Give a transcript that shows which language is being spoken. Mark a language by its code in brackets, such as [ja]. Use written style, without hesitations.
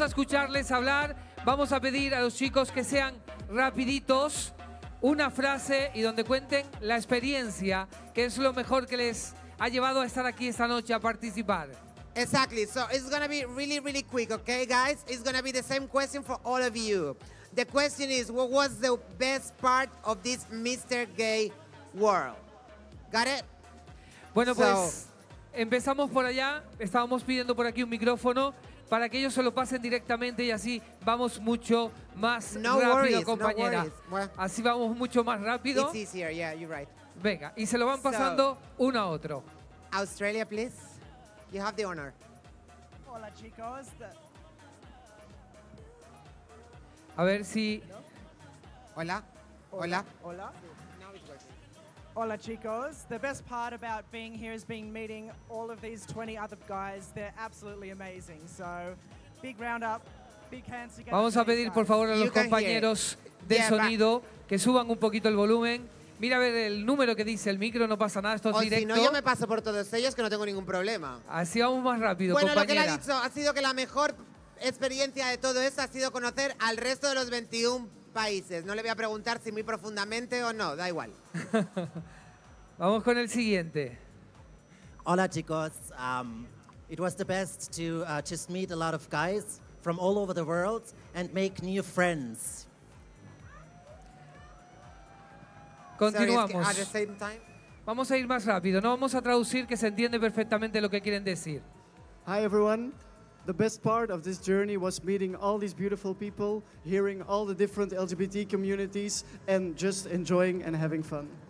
[es] a escucharles hablar, vamos a pedir a los chicos que sean rapiditos, una frase y donde cuenten la experiencia, que es lo mejor que les ha llevado a estar aquí esta noche a participar. [en] Exactly. So it's going to be really, really quick, okay, guys? It's going to be the same question for all of you. The question is, what was the best part of this Mr. Gay World? Got it? [es] Bueno, empezamos por allá. Estábamos pidiendo por aquí un micrófono para que ellos se lo pasen directamente y así vamos mucho más rápido, compañera. [en] No worries. [es] Así vamos mucho más rápido. [en] It's easier, yeah, you're right. [es] Venga, y se lo van pasando uno a otro. [en] Australia, please. You have the honor. [es] Hola, chicos. A ver si... Hola. Hola. Hola. Hola, chicos. [en] The best part about being here is being meeting all of these 20 other guys. They're absolutely amazing. So, big round up. Big hands together. [es] Vamos a pedir, por favor, a los compañeros de sonido que suban un poquito el volumen. Mira a ver el número que dice el micro, no pasa nada, esto es directo. O si no, yo me paso por todos ellos, que no tengo ningún problema. Así vamos más rápido, bueno, compañera. Bueno, lo que le ha dicho ha sido que la mejor experiencia de todo esto ha sido conocer al resto de los 21 países. No le voy a preguntar si muy profundamente o no, da igual. Vamos con el siguiente. Hola, chicos. [en] It was the best to just meet a lot of guys from all over the world and make new friends. [es] Continuamos. [en] Sorry, at the same time. [es] Vamos a ir más rápido. No vamos a traducir, que se entiende perfectamente lo que quieren decir. [en] Hi everyone. The best part of this journey was meeting all these beautiful people, hearing all the different LGBT communities and just enjoying and having fun.